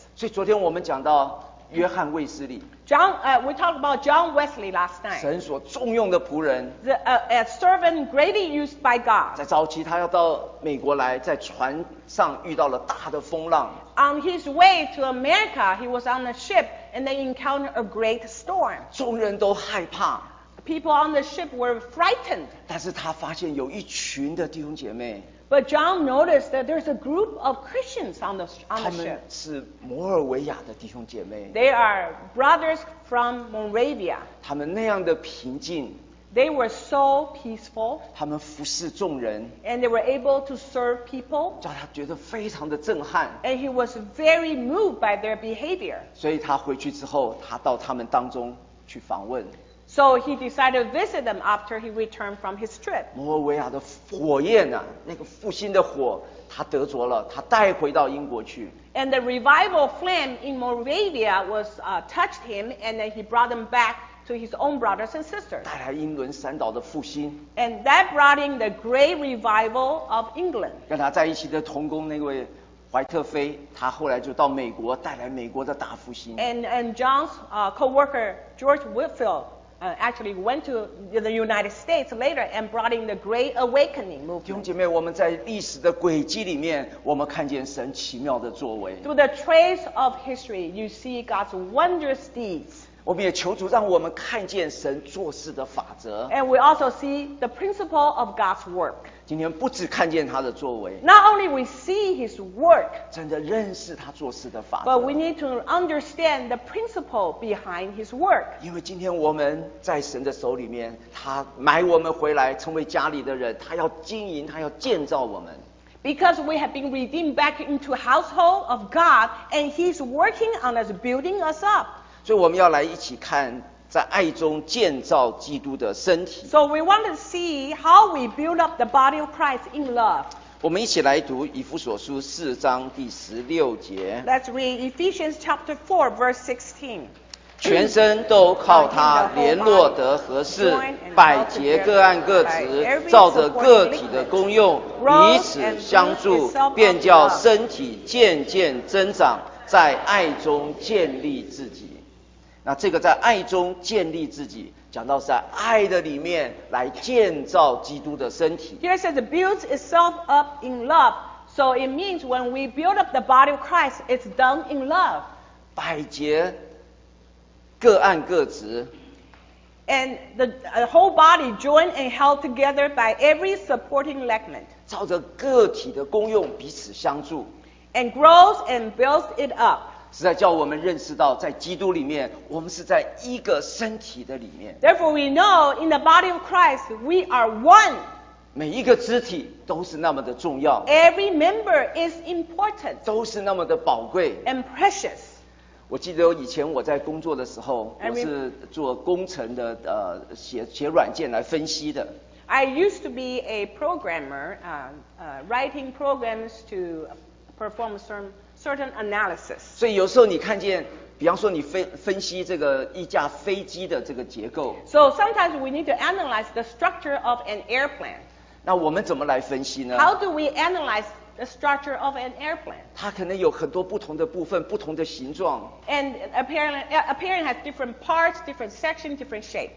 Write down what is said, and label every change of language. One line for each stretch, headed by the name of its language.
Chinese: 所以昨天我们讲到。约翰卫斯理
English: we talked about John Wesley last night.
Chinese: 神所重用的仆人。
English: A servant greatly used by God.
Chinese: 在早期他要到美国来，在船上遇到了大的风浪。
English: On his way to America, he was on a ship and they encountered a great storm.
Chinese: 众人都害怕。
English: People on the ship were frightened.
Chinese: 但是他发现有一群的弟兄姐妹。
English: But John noticed that there's a group of Christians on the ship.
Chinese: 他们是摩尔维亚的弟兄姐妹。
English: They are brothers from Moravia.
Chinese: 他们那样的平静。
English: They were so peaceful.
Chinese: 他们服侍众人。
English: And they were able to serve people.
Chinese: 叫他觉得非常的震撼。
English: And he was very moved by their behavior.
Chinese: 所以他回去之后，他到他们当中去访问。
English: So he decided to visit them after he returned from his trip.
Chinese: 摩尔维亚的火焰啊，那个复兴的火，他得着了，他带回到英国去。
English: And the revival flame in Moravia was touched him, and then he brought them back to his own brothers and sisters.
Chinese: 带来英伦三岛的复兴。
English: And that brought in the great revival of England.
Chinese: 跟他在一起的同工那位。怀特菲，他后来就到美国，带来美国的大复兴。
English: And John's co-worker George Whitfield actually went to the United States later and brought in the Great Awakening movement.
Chinese: 弟兄姐妹，我们在历史的轨迹里面，我们看见神奇妙的作为。
English: Through the trace of history, you see God's wondrous deeds.
Chinese: 我们也求主让我们看见神做事的法则。
English: And we also see the principle of God's work.
Chinese: 今天不只看见他的作为
English: ，Not only we see his work，
Chinese: 真的认识他做事的法则
English: ，But we need to understand the principle behind his work。
Chinese: 因为今天我们在神的手里面，他买我们回来，成为家里的人，他要经营，他要建造我们。
English: Because we have been redeemed back into household of God， and he's working on us， building us up。
Chinese: 所以我们要来一起看。在爱中建造基督的身体。
English: So we want to see how we build up the body of Christ in love.
Chinese: 我们一起来读以弗所书四章第十六节。
English: Let's read Ephesians chapter 4 verse 16.
Chinese: 全身都靠他联络得合适，百节各按各职，照着个体的功用彼此相助，便叫身体渐渐增长，在爱中建立自己。那这个在爱中建立自己，讲到是在爱的里面来建造基督的身体。
English: Here says it builds itself up in love, so it means when we build up the body of Christ, it's done in love.
Chinese: 百节各按各职。
English: And the whole body joined and held together by every supporting ligament.
Chinese: 照着个体的功用彼此相助。
English: And grows and builds it up.
Chinese: 是在叫我们认识到，在基督里面，我们是在一个身体的里面。
English: Therefore, we know in the body of Christ, we are one.
Chinese: 每一个肢体都是那么的重要。
English: Every member is important.
Chinese: 都是那么的宝贵。
English: And precious.
Chinese: 我记得以前我在工作的时候，我是做工程的，写软件来分析的。
English: I used to be a programmer, writing programs to perform certain analysis.
Chinese: 所以有时候你看见，比方说你分析这个一架飞机的这个结构。
English: So sometimes we need to analyze the structure of an airplane.
Chinese: 那我们怎么来分析呢
English: ？How do we analyze the structure of an airplane?
Chinese: 它可能有很多不同的部分，不同的形状。
English: And apparently has different parts, different sections, different shapes.